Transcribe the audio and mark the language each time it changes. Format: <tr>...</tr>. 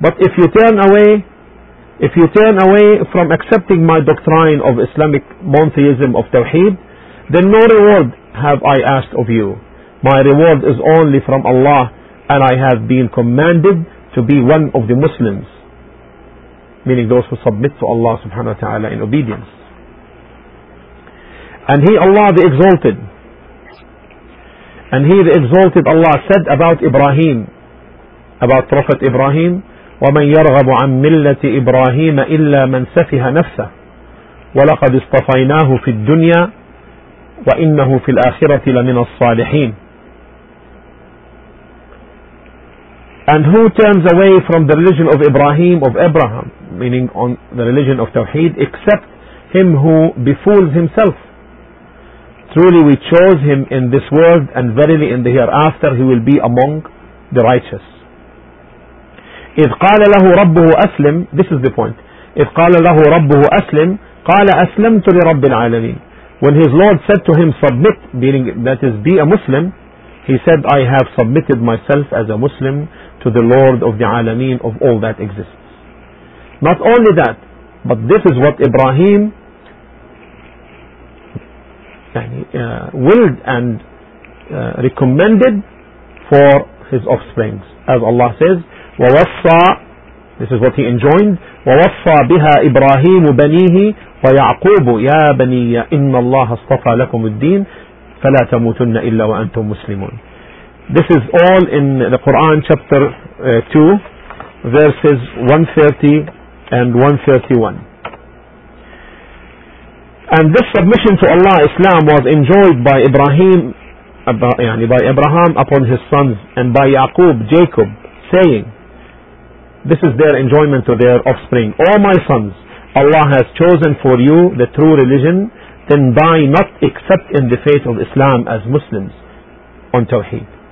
<en>But if you turn away, if you turn away from accepting my doctrine of Islamic monotheism of Tawheed, then no reward have I asked of you. My reward is only from Allah, and I have been commanded to be one of the Muslims, meaning those who submit to Allah subhanahu wa ta'ala in obedience. And he, Allah the Exalted, Allah said about Ibrahim, about Prophet Ibrahim,</en> <ar>وَمَنْ يَرْغَبُ عَنْ مِلَّةِ إِبْرَاهِيمَ إِلَّا مَنْ سَفِهَ نَفْسَهُ وَلَقَدْ اصْطَفَيْنَاهُ فِي الدُّنْيَا وَإِنَّهُ فِي الْآخِرَةِ لَمِنَ الصَّالِحِينَ.</ar> <en>And who turns away from the religion of Ibrahim, of Abraham, meaning on the religion of Tawheed, except him who befools himself? Truly we chose him in this world, and verily in the hereafter he will be among the righteous.</en> <ar>إذ قال له ربه أسلم.</ar> <en>This is the point.</en> <ar>إذ قال له ربه أسلم قال أسلمت لرب العالمين.</ar> <en>When his Lord said to him, submit, meaning that is be a Muslim, he said, I have submitted myself as a Muslim to the Lord of the Alameen of all that exists. Not only that, but this is what Ibrahim willed and recommended for his offsprings, as Allah says, وَوَصَّى. This is what he enjoined.</en> <ar>وَوَصَّى بِهَا إِبْرَاهِيمُ بَنِيهِ وَيَعْقُوبُ يَا بَنِيَّ إِنَّ اللَّهَ اصْطَفَى لَكُمُ الدِّينَ فلا تموتن إلا وأنتم مسلمون.</ar> <en>This is all in the Quran chapter 2 verses 130 and 131. And this submission to Allah, Islam, was enjoyed by Ibrahim, by Abraham upon his sons, and by Yaqub, Jacob, saying, this is their enjoyment to their offspring, "Oh my sons, Allah has chosen for you the true religion, then die not except in the faith of Islam as Muslims on Tawheed."</en>